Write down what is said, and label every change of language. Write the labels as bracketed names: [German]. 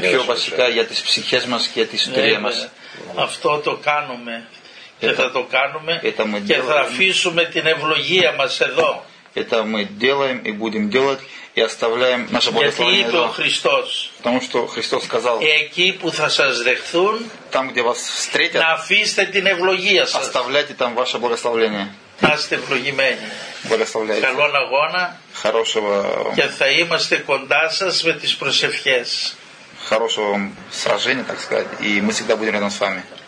[Greek] Και πιο βασικά για τις ψυχές μας και για τις ιστορία μας. Αυτό το κάνουμε και θα το κάνουμε και [Russian] делаем, [Greek] θα αφήσουμε την ευλογία μας εδώ. [Russian] Это мы делаем и будем делать и оставляем наше благословение. [Greek] Γιατί είπε ο Χριστός. [Russian] Потому что Христос сказал. [Greek] Εκεί που θα σας δεχθούν. [Russian] Там где вас встретят. [Greek] Να αφήσετε την ευλογία σας. [Russian] Оставляйте там ваше благословение. [Greek] Να είστε ευλογημένοι. Καλόν αγώνα. [Russian] Хорошего... [Greek] Και θα είμαστε κοντά σας με τις προσευχές. [Russian] Хорошего сражения, так сказать, и мы всегда будем рядом с вами.